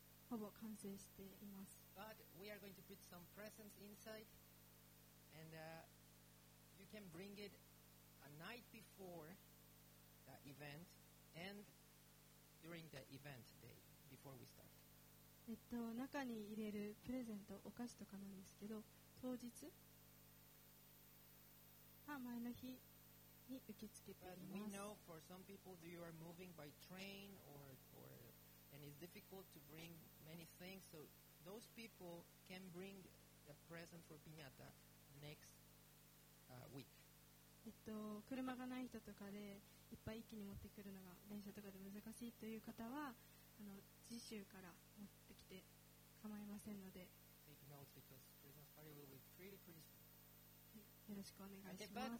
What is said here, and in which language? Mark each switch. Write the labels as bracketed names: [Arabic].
[Japanese] ほぼ完成しています。 [English] But we are going to put some presents inside, and you can bring it a night before the event and during the event day before we start. [Japanese] 中に入れるプレゼント、お菓子とかなんですけど、当日、あ、前の日に受け付けています。 [English] we know for some people you are moving by train or and it's difficult to bring many things, so those people can bring a present for Pinata next week. [Japanese] 車がない人とかでいっぱい一気に持ってくるのが電車とかで難しいという方は、次週から持ってきて構いませんので、よろしくお願いします。